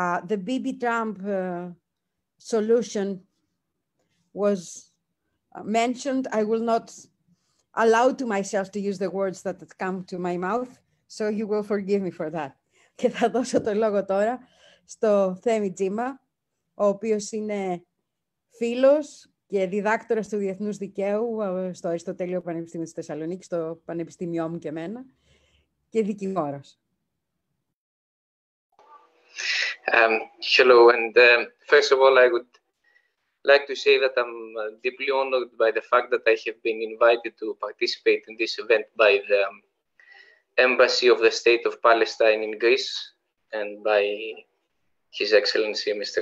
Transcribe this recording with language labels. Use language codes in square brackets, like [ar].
[en] The Bibi Trump solution was mentioned. I will not allow to myself to use the words that come to my mouth, so you will forgive me for that. [el] Και θα δώσω το λόγο τώρα στο Θέμη Τζίμα, ο οποίος είναι φίλος και διδάκτορας του Διεθνούς Δικαίου στο Αριστοτέλειο Πανεπιστήμιο της Θεσσαλονίκης, στο Πανεπιστήμιο μου και εμένα, και δικηγόρος. [en] Hello, and first of all, I would like to say that I'm deeply honored by the fact that I have been invited to participate in this event by the Embassy of the State of Palestine in Greece and by His Excellency, Mr.